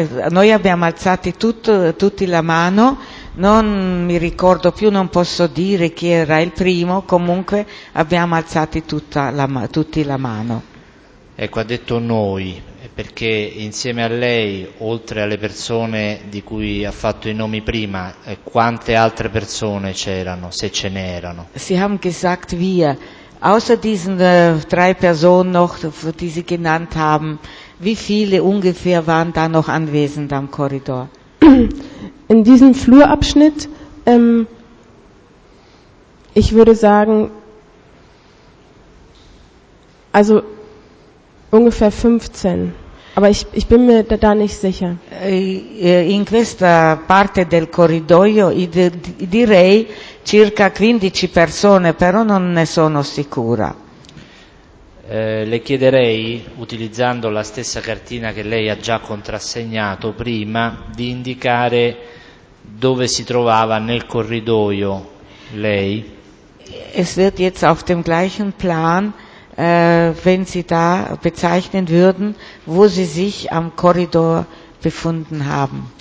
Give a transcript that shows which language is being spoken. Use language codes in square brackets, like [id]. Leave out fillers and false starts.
[it] noi abbiamo alzati tutti la mano. Non mi ricordo più, non posso dire chi era il primo, comunque abbiamo alzati tutti la mano. Ecco, ha detto noi, perché insieme a lei, oltre alle persone di cui ha fatto i nomi prima, quante altre persone c'erano, se ce n'erano? [de] Sie haben gesagt wir, außer diesen drei Personen noch, die Sie genannt haben, wie viele ungefähr waren da noch anwesend am Korridor? In diesem Flurabschnitt, ich würde sagen, also ungefähr 15, aber ich bin mir da nicht sicher. [it] In questa parte del corridoio direi circa 15 persone, però non ne sono sicura. Le chiederei, utilizzando la stessa cartina che lei ha già contrassegnato prima, di indicare dove si trovava nel corridoio lei. [de] Es wird jetzt auf dem gleichen Plan, wenn Sie da bezeichnen würden, wo Sie sich am Korridor befunden haben.